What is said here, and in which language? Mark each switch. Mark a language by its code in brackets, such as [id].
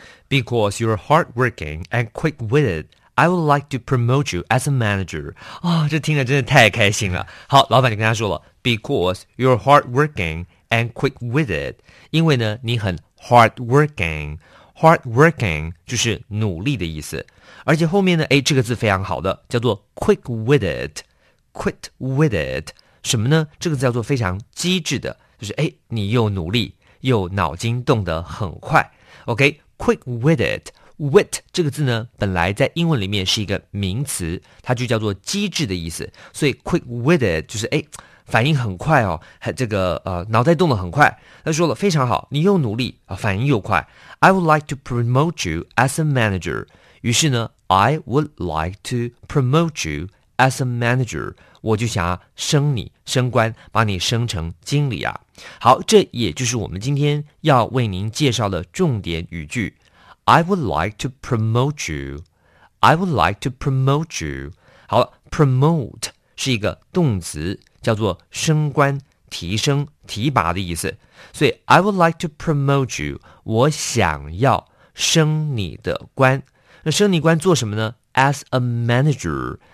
[en] ？Because you're hardworking and quick-witted, I would like to promote you as a manager. [zh] 啊、哦，这听着真的太开心了。好，老板就跟他说了 ， [en] Because you're hardworking. And quick-witted, [zh] 因为呢你很 hardworking 就是努力的意思，而且后面呢，哎，这个字非常好的，叫做 quick-witted, 什么呢？这个字叫做非常机智的，就是哎，你又努力又脑筋动得很快。 OK, quick-witted, wit 这个字呢，本来在英文里面是一个名词，它就叫做机智的意思，所以 quick-witted 就是哎。反应很快哦，还这个脑袋动得很快。他说了非常好，你又努力啊，反应又快。 [en] I would like to promote you as a manager. [zh] 于是呢 [en] ，I would like to promote you as a manager. [zh] 我就想要升你升官，把你升成经理啊。好，这也就是我们今天要为您介绍的重点语句。 [en] I would like to promote you. I would like to promote you. [zh] 好了 ，promote 是一个动词。叫做升官、提升、提拔的意思，所以 [en] I would like to promote you， [zh] 我想要升你的官。那升你官做什么呢 ？ [en] As a manager，